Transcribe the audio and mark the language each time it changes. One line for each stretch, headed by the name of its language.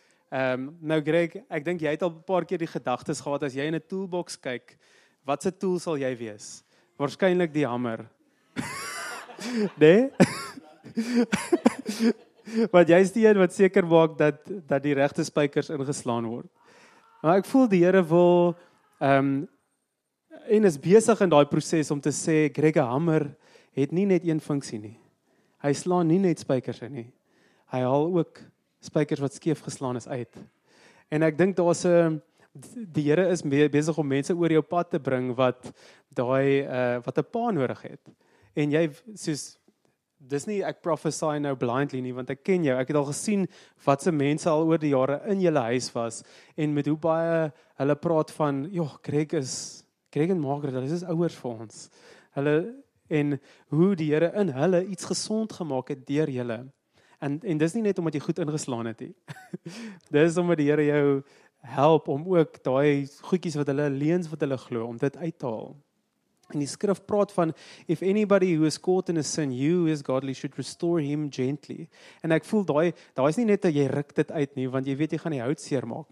Afrikaans: Nou Greg, ek dink jy het al 'n paar keer die gedagtes gehad, as jy in 'n toolbox kyk, wat se tool sal jy wees? Waarskynlik die hamer. Nee? Want jy is die een wat seker maak dat die regte spykers ingeslaan word. Maar ek voel die Here wil, en is besig in daai proses om te sê, Greg, een hamer het nie net een funksie nie. Hy slaan nie net spykers in nie. Hy haal ook spykers wat skeef geslaan is uit. En ek dink daar's 'n die Here is besig om mense oor jou pad te bring wat daai wat 'n pa nodig het. En jy soos dis nie ek prophesy nou blindly nie want ek ken jou. Ek het al gesien wat se mense al oor die jare in julle huis was en met hoe baie hulle praat van, "Joh, Greg en Margaret, hulle is ouers vir ons." Hulle en hoe die Here in hulle iets gesond gemaak het deur julle. En dis nie net omdat jy goed ingeslaan het nie. Dis is omdat die Here jou help om ook daai goedjies wat hulle leens wat hulle glo om dit uit te haal. En die skrif praat van
English: if anybody who is caught in a sin you who is godly should restore him gently.
Afrikaans: En ek voel daai is nie net dat jy ruk dit uit nie want jy weet jy gaan die hout seer maak.